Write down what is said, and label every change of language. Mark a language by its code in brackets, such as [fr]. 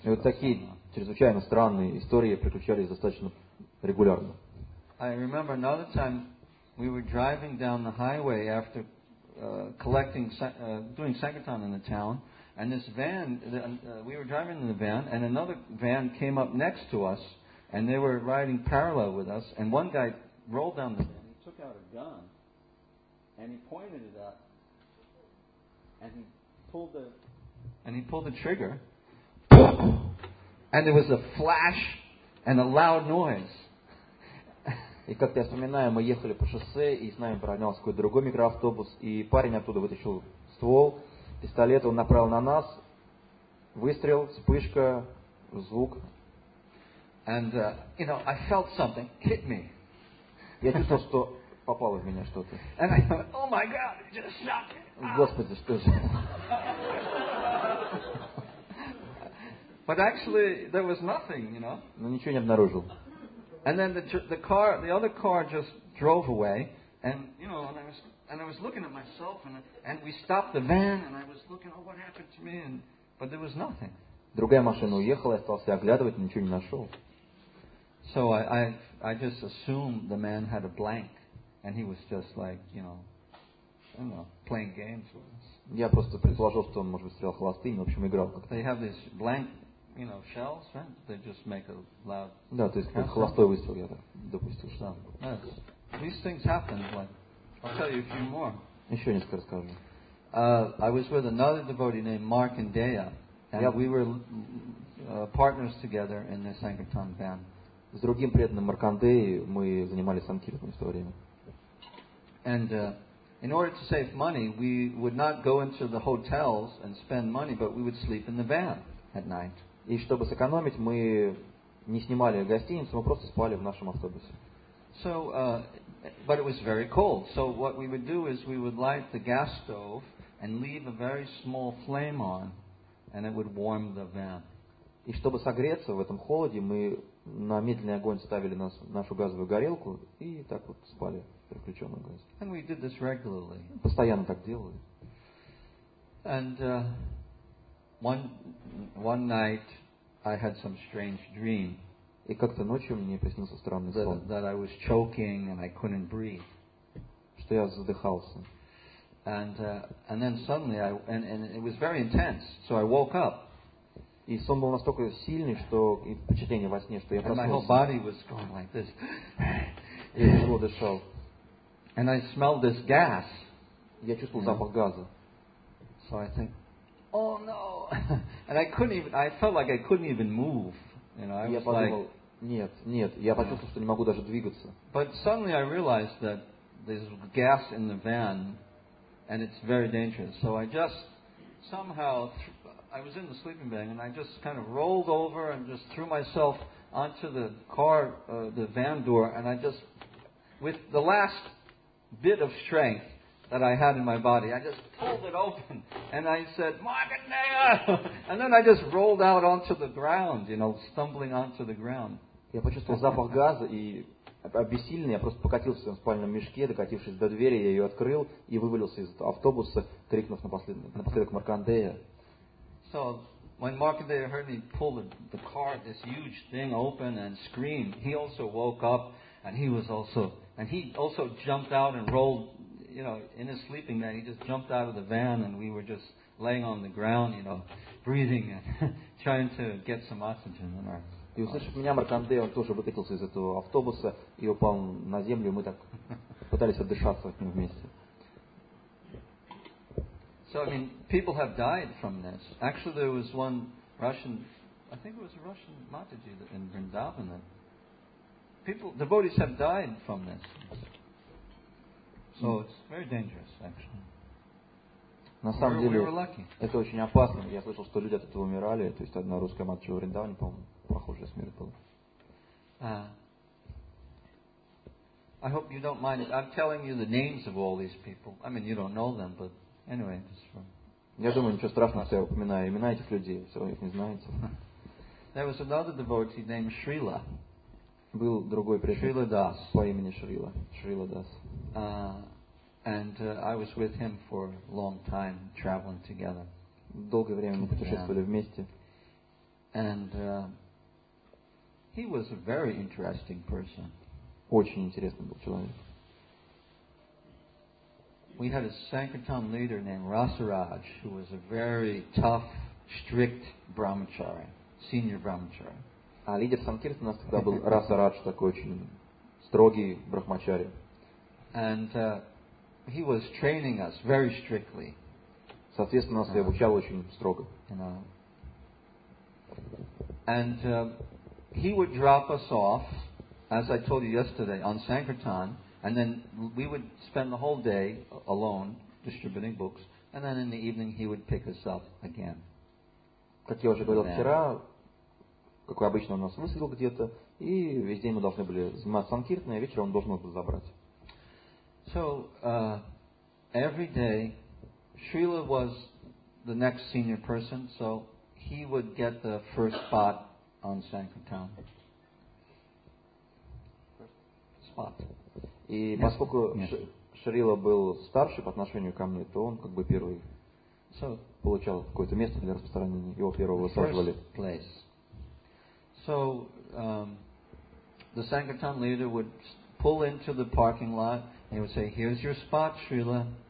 [ru] И вот такие чрезвычайно странные истории приключались достаточно регулярно. [en] I remember another time we were driving down the highway after doing Sankirtan in the town, and this van, we were driving in the van, and another van came up next to us, and they were riding parallel with us, and one guy rolled down the van, he took out a gun, and he pointed it up, and he pulled the trigger, and there was a flash and a loud noise. [ru] И как я вспоминаю, мы ехали по шоссе, и с нами поравнялся какой-то другой микроавтобус, и парень оттуда вытащил ствол, пистолет, он направил на нас, выстрел, вспышка, звук. [en] And, you know, I felt something hit me. [ru] Я чувствовал, что попало в меня что-то. [en] And I thought, oh my God, it just shot me. [ru] Господи, что же. [en] But actually, there was nothing, you know. [ru] Но ничего не обнаружил. [en] And then the other car just drove away, and you know, and I was looking at myself, and we stopped the van, and I was looking, oh, what happened to me? But there was nothing. [ru] Другая машина уехала, я стал себя оглядывать, ничего не нашел. [en] So I just assumed the man had a blank, and he was just like, you know, playing games with us. [ru] Я просто предположил, что он, может быть, стрелял холостыми, в общем, играл. [en] They have this blank. You know, shells, right? They just make a loud. [ru] Да, то есть как холостой выстрел, я так допустил. [en] Yes. These things happen. Like, I'll tell you a few more. [ru] Еще несколько расскажу. [en] I was with another devotee named Mark Indeya, and we were partners together in the Sankirtan band. [ru] С другим преданным Маркандеей мы занимались санкиртаном в то время. [en] And in order to save money, we would not go into the hotels and spend money, but we would sleep in the van at night. [ru] И чтобы сэкономить, мы не снимали гостиницу, мы просто спали в нашем автобусе. [en] So, but it was very cold. So what we would do is we would light the gas stove and leave a very small flame on, and it would warm the van. [ru] И чтобы согреться в этом холоде, мы на медленный огонь ставили нашу газовую горелку и так вот спали при включенном газе. [en] And we did this regularly. [ru] Постоянно так делали. [en] And One night, I had some strange dream. [ru] И как-то ночью мне приснился странный сон. [en] That I was choking and I couldn't breathe. [ru] Что я задыхался. [en] And then suddenly and it was very intense. So I woke up. [ru] И сон был настолько сильный, что и впечатление во сне, что я проснулся. [en] My whole body was going like this. [ru] И я тяжело дышал. [en] And I smelled this gas. [ru] Я чувствовал запах газа. [en] So I think. Oh no! And I couldn't even. I felt like I couldn't even move. You know, I was like, [ru] нет. Я почувствовал, что не могу даже двигаться. [en] But suddenly I realized that there's gas in the van, and it's very dangerous. So I just somehow I was in the sleeping bag, and I just kind of rolled over and just threw myself onto the car, the van door, and I just, with the last bit of strength that I had in my body, I just pulled it open and I said, Mark Indeya! And then I just rolled out onto the ground, you know, stumbling onto the ground. [ru] Я почувствовал запах газа и обессиленный, я просто покатился в своем спальном мешке, докатившись до двери, я ее открыл и вывалился из автобуса, крикнув напоследок Марк Индея. [en] So when Mark Indeya heard me pull the car, this huge thing open and scream, he also woke up and he also jumped out and rolled. You know, in his sleeping bag, he just jumped out of the van, and we were just laying on the ground, you know, breathing and trying to get some oxygen in our. [ru] И услышав меня, Марк Индея, он тоже выкатился из этого автобуса и упал на землю. Мы так пытались отдышаться от него вместе. [en] So I mean, people have died from this. Actually, there was one Russian, I think it was a Russian Mataji in Vrindavan. Devotees have died from this. So it's very dangerous, actually. [ru] На самом деле, это очень опасно. Я слышал, что люди от этого умирали. То есть одна русская матча в Вриндаване, по-моему, похожая смерть была. [en] I hope you don't mind. I'm telling you the names of all these people. I mean, you don't know them, but anyway, just for. [ru] Я думаю, ничего страшного, что я упоминаю имена этих людей, если вы их не знаете. [en] There was another devotee named Srila. [ru] Был другой преданный Das. По имени Шрила. Шрила Дас. [en] I was with him for a long time, traveling together. [ru] Долгое время мы путешествовали вместе. [en] He was a very interesting person. [ru] Очень интересный был человек. [en] We had a Sankirtan leader named Rasaraj, who was a very tough, strict brahmachari, senior brahmachari. [ru] А лидер Санкиртана у нас тогда был Расарадж, такой очень строгий брахмачари. [en] And he was training us very strictly. [ru] Соответственно, нас и обучал очень строго. [en] And he would drop us off, as I told you yesterday, on Sankirtan, and then we would spend the whole day alone distributing books, and then in the evening he would pick us up again. [ru] Как я уже говорил вчера, как обычно он нас высадил где-то, и весь день мы должны были заниматься санкиртаной, а вечером он должен был забрать. [en] So every day Srila was the next senior person, so he would get the first spot on Sankirtan. Spot. [ru] И поскольку Шрила был старше по отношению ко мне, то он как бы первый получал какое-то место для распространения. Его первого высаживали. [en] So the Sankirtan leader would pull into the parking lot and he would say, "Here's your spot, Srila.